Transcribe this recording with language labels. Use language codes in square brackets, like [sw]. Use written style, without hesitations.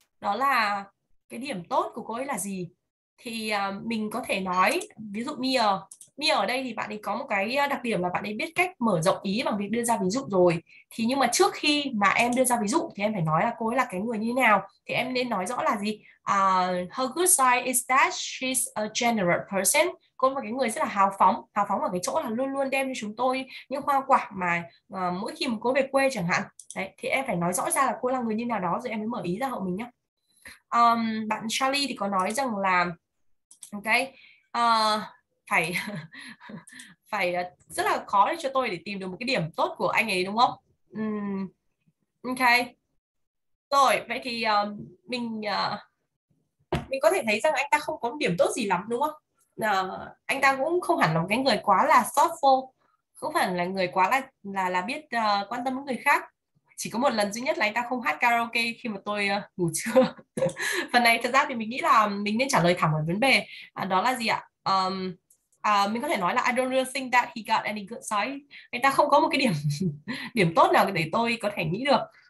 [vi] Đó là cái điểm tốt của cô ấy là gì? Thì mình có thể nói, ví dụ Mia. Mia ở đây thì bạn ấy có một cái đặc điểm là bạn ấy biết cách mở rộng ý bằng việc đưa ra ví dụ rồi. Thì nhưng mà trước khi mà em đưa ra ví dụ thì em phải nói là cô ấy là cái người như thế nào. Thì em nên nói rõ là gì? [en] Her good side is that she's a generous person. [vi] Cô ấy là cái người rất là hào phóng. Hào phóng ở cái chỗ là luôn luôn đem cho chúng tôi những hoa quả mà mỗi khi mà cô ấy về quê chẳng hạn. Đấy, thì em phải nói rõ ra là cô ấy là người như nào đó rồi em mới mở ý ra hậu mình nhé. Bạn Charlie thì có nói rằng là ok phải rất là khó để cho tôi để tìm được một cái điểm tốt của anh ấy đúng không? Ok rồi, vậy thì mình có thể thấy rằng anh ta không có điểm tốt gì lắm đúng không? Anh ta cũng không hẳn là một cái người quá là thoughtful, không hẳn là người quá là biết quan tâm đến người khác. Chỉ có một lần duy nhất là anh ta không hát karaoke khi mà tôi ngủ trưa. Phần này thật ra thì mình nghĩ là mình nên trả lời thẳng vào vấn đề. Đó là gì ạ? Mình có thể nói là [en] I don't really think that he got any good side. [vi] Anh ta không có một cái điểm tốt nào để tôi có thể nghĩ được.